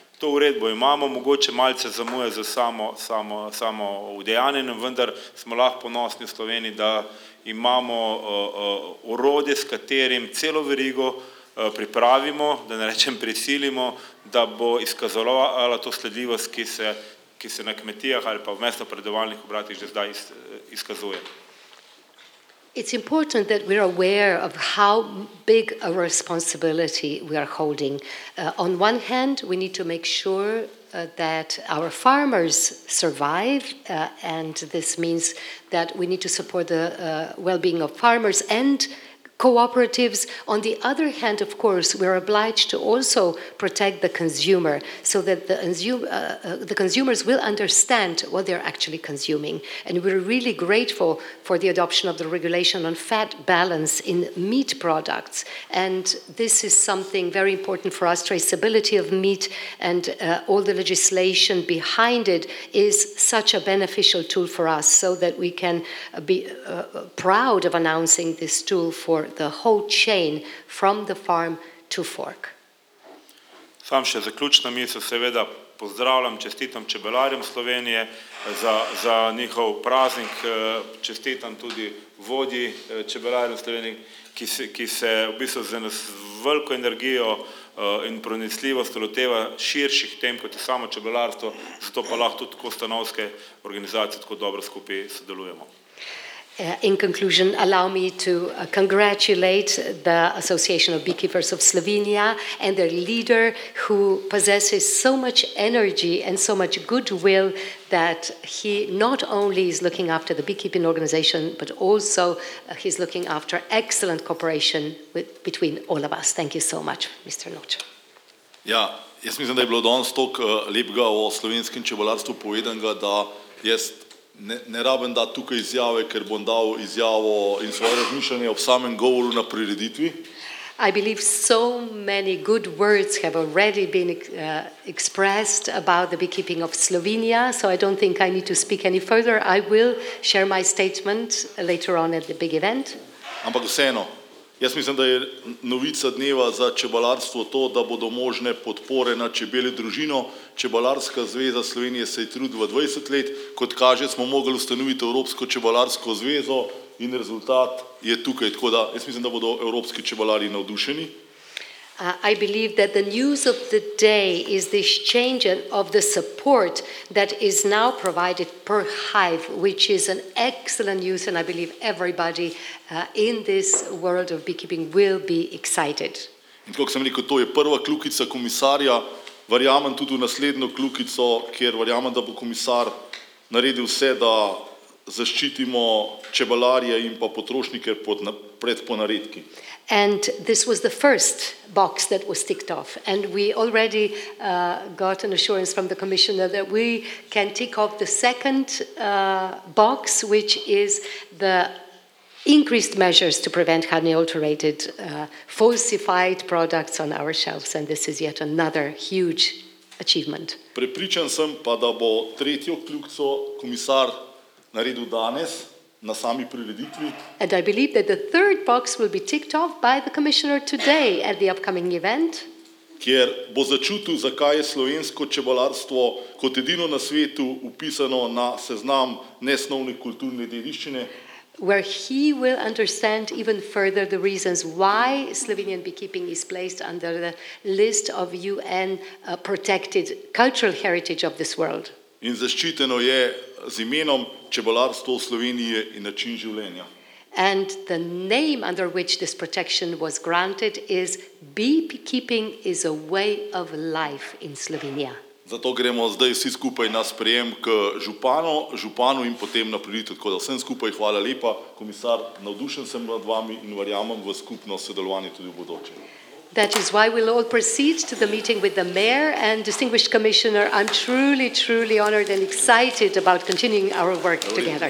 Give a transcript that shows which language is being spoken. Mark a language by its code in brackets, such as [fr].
[sl] To uredbo imamo, mogoče malce zamuje za samo udejanjenje, vendar smo lahko ponosni v Sloveniji, da imamo orodje, s katerim celo verigo pripravimo, da ne rečem prisilimo, da bo izkazovala to sledljivost, ki se na kmetijah ali pa v mesnopredelovalnih obratih že zdaj izkazuje. [en] It's important that we're aware of how big a responsibility we are holding. On one hand, we need to make sure that our farmers survive, and this means that we need to support the well-being of farmers and cooperatives. On the other hand, of course, we're obliged to also protect the consumer so that the consumers will understand what they're actually consuming. And we're really grateful for the adoption of the regulation on fat balance in meat products. And this is something very important for us, traceability of meat, and all the legislation behind it is such a beneficial tool for us so that we can be proud of announcing this tool for the whole chain from the farm to fork. [sl] Sam še zaključna misel, seveda pozdravljam, čestitam čebelarjem Slovenije za njihov praznik, čestitam tudi vodji čebelarjem Slovenije, ki se v bistvu z veliko energijo in pronicljivost loteva širših tem, kot je samo čebelarstvo, zato pa lahko tudi tako stanovske organizacije tako dobro skupaj sodelujemo. [en] In conclusion, allow me to congratulate the Association of Beekeepers of Slovenia and their leader, who possesses so much energy and so much goodwill that he not only is looking after the beekeeping organization, but also he's looking after excellent cooperation between all of us. Thank you so much, Mr. Noč. [sl] Ja, jaz mislim, da je bilo danes toliko lepega o slovenskem čebelarstvu povedanega, da jaz ne rabim dati tukaj izjave, ker bom dal izjavo in svoje razmišljanje ob samem govoru na prireditvi. [en] I believe so many good words have already been expressed about the beekeeping of Slovenia, so I don't think I need to speak any further. I will share my statement later on at the big event. [sl] Ampak vseeno, jaz mislim, da je novica dneva za čebelarstvo to, da bodo možne podpore na čebele družino. Čebelarska zveza Slovenije se je trudila 20 let, kot kaže, smo mogli ustanoviti Evropsko čebelarsko zvezo in rezultat je tukaj. Tako da jaz mislim, da bodo evropski čebelari navdušeni. [en] I believe that the news of the day is this change of the support that is now provided per hive, which is an excellent news, and I believe everybody in this world of beekeeping will be excited. [sl] In tako sem rekel, to je prva kljukica komisarja, verjamem tudi v naslednjo kljukico, kjer verjamem, da bo komisar naredil vse, da zaščitimo čebelarje in pa potrošnike pred ponaredki. [en] And this was the first box that was ticked off. And we already got an assurance from the commissioner that we can tick off the second box, which is the increased measures to prevent honey-alterated, falsified products on our shelves. And this is yet another huge achievement. [sl] Prepričan sem pa, da bo tretjo kljukico komisar naredil danes, na sami prireditvi. [en] And I believe that the third box will be ticked off by the commissioner today at the upcoming event. [sl] Kjer bo začutil, zakaj je slovensko čebelarstvo kot edino na svetu upisano na seznam nesnovne kulturne dediščine. [en] Where he will understand even further the reasons why Slovenian beekeeping is placed under the list of UN protected cultural heritage of this world. [sl] In zaščiteno je z imenom čebelarstvo v Sloveniji in način življenja. [en] And the name under which this protection was granted is beekeeping is a way of life in Slovenia. [sl] Zato gremo zdaj vsi skupaj na sprejem k županu in potem na prireditev. Tako da vsem skupaj hvala lepa, komisar, navdušen sem nad vami in verjamem v skupno sodelovanje tudi v bodoče. [en] That is why we'll all proceed to the meeting with the mayor and distinguished commissioner. I'm truly, truly honored and excited about continuing our work together.